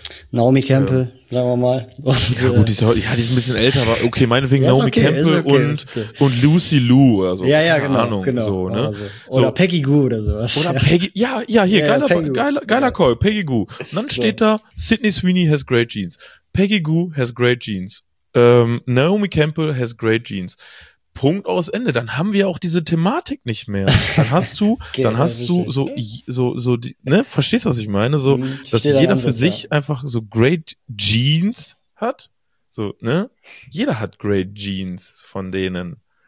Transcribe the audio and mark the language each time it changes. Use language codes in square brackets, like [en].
[de] Naomi Campbell, sagen wir mal. Und, ja, gut, die ist ein bisschen älter, aber okay, meinetwegen ja, Naomi Campbell und Lucy Liu oder so. Ja, ja, genau. So, ne? Also, oder so. Peggy Gu oder sowas. Oder Peggy, ja, hier, ja, geiler Call, Peggy Gu. Und dann steht da, [en] Sydney Sweeney has great jeans. Peggy Gu has great jeans. Naomi Campbell has great jeans. [de] Punkt aus Ende, dann haben wir auch diese Thematik nicht mehr. Dann hast du, verstehst du, was ich meine? So, dass jeder für sich einfach so great Jeans hat. So, ne? Jeder hat great Jeans von denen.